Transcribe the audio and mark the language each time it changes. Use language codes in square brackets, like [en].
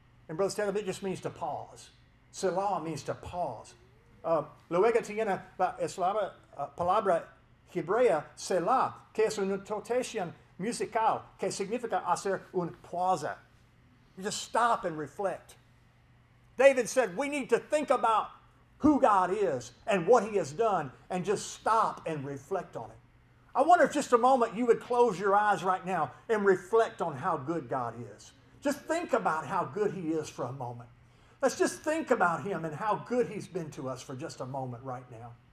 [en] And Brother Stanley, it just means to pause. Selah means to pause. [es] Luego tiene la eslava, palabra hebrea, selah, que es una notación musical, que significa hacer un pausa. [en] You just stop and reflect. David said, we need to think about who God is and what he has done and just stop and reflect on it. I wonder if just a moment you would close your eyes right now and reflect on how good God is. Just think about how good he is for a moment. Let's just think about him and how good he's been to us for just a moment right now.